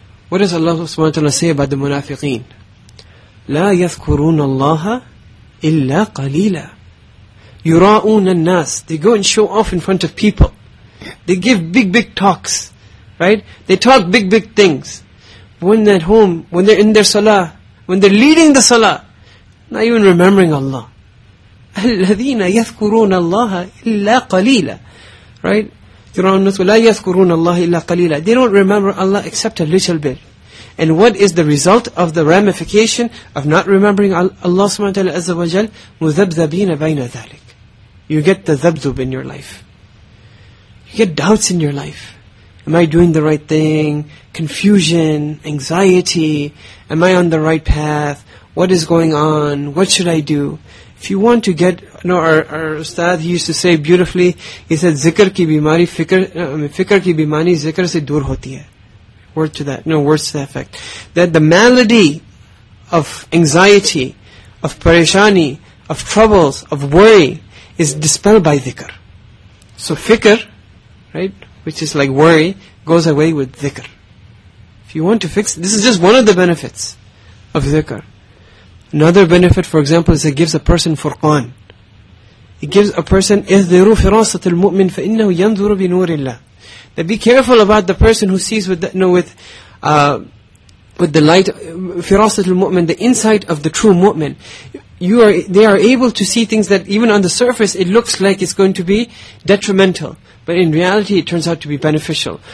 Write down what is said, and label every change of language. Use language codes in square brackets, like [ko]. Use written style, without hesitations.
[en] What does Allah subhanahu wa ta'ala say about the munafiqeen? [ar] لَا يَذْكُرُونَ اللَّهَ إِلَّا قَلِيلًا يُرَاءُونَ النَّاسِ. [en] They go and show off in front of people. They give big, big talks. Right? They talk big, big things. When they're at home, when they're in their salah, when they're leading the salah, not even remembering Allah. [ar] الَّذِينَ يَذْكُرُونَ اللَّهَ إِلَّا قَلِيلًا. [en] Right? Quran says, [ar] لَا يَذْكُرُونَ اللَّهَ إِلَّا قَلِيلًا. [en] They don't remember Allah except a little bit. And what is the result of the ramification of not remembering Allah subhanahu wa ta'ala azza wa jal? [ar] مُذَبْذَبِينَ بَيْنَ ذَلِكَ. [en] You get the ذَبْذُب in your life. You get doubts in your life. Am I doing the right thing? Confusion, anxiety. Am I on the right path? What is going on? What should I do? If you want to get, you know, our ustad, he used to say beautifully, he said, [ur] zikr ki bimari, fikr ki bimari, zikr se dur hoti hai. [en] Word to that, no, words to that effect. That the malady of anxiety, of parishani, of troubles, of worry, is dispelled by zikr. So fikr, right, which is like worry, goes away with zikr. If you want to fix, this is just one of the benefits of zikr. Another benefit, for example, is it gives a person furqan. It gives a person, [ar] اِذْذِرُوا فِرَاسَةِ الْمُؤْمِنِ فَإِنَّهُ يَنْذُرُ بِنُورِ اللَّهِ. [en] That be careful about the person who sees with the light, [ar] فِرَاسَةِ الْمُؤْمِنِ, [en] the insight of the true mu'min. They are able to see things that even on the surface it looks like it's going to be detrimental, but in reality it turns out to be beneficial.